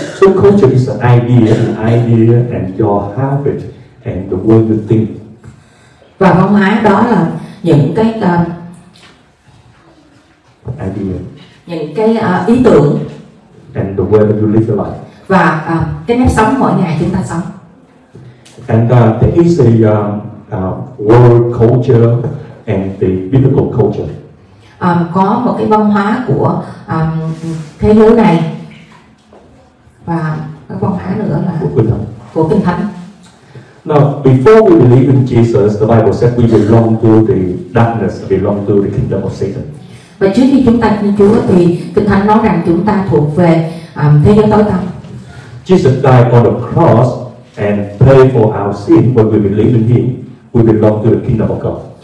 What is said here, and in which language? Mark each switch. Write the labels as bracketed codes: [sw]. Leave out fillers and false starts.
[en] So culture is an idea and your habit and the way you think. [vi] Và văn hóa đó là những cái [en] idea, [vi] những cái ý tưởng [en] and the way that you live your life. [vi] Và cái nếp sống mỗi ngày chúng ta sống. [en] And there is a world culture and the biblical culture. [vi] Có một cái văn hóa của thế giới này và cái văn hóa nữa là của Kinh Thánh. [en] Now, before we believe in Jesus, the Bible said we belong to the darkness, belong to the kingdom of Satan. [vi] Và trước khi chúng ta tin Chúa thì Kinh Thánh nói rằng chúng ta thuộc về thế giới tối tăm. [en] Jesus died on the cross and paid for our sin. When we believe in Him, we belong to the kingdom of God.